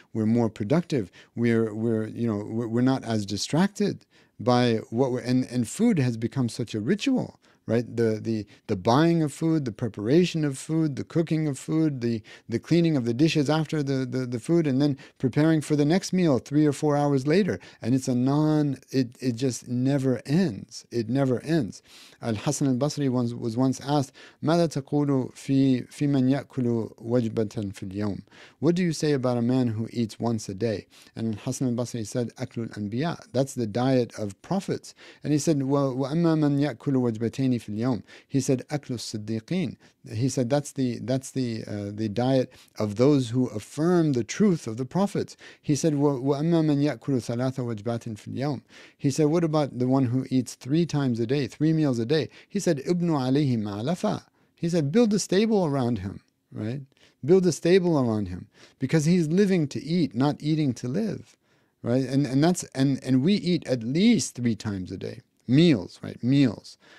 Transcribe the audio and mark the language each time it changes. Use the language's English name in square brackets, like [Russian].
[English] We're more productive. We're not as distracted by what we're, and food has become such a ritual. Right, the buying of food, the preparation of food, the cooking of food, the cleaning of the dishes after the food, and then preparing for the next meal 3 or 4 hours later, and it just never ends. It never ends. Al-Hasan al-Basri was once asked, ماذا تقول في من يأكل وجبة في اليوم? What do you say about a man who eats once a day? And Al-Hasan al-Basri said, أكل الأنبياء. That's the diet of prophets. And he said, وأما من يأكل وجبتين. He said, "Aklu Siddiqeen." He said, "That's the diet of those who affirm the truth of the prophets." [Arabic] He said, "وَأَمَّا مَنْ يَأْكُلُ ثَلَاثَ وَجْبَاتٍ فِي الْيَوْمِ." [English] He said, "What about the one who eats three times a day, three meals a day?" He said, "Ibnu alayhi ma'alafa." He said, "Build a stable around him, right? Build a stable around him, because he's living to eat, not eating to live, right? And we eat at least three times a day, meals, right? Meals."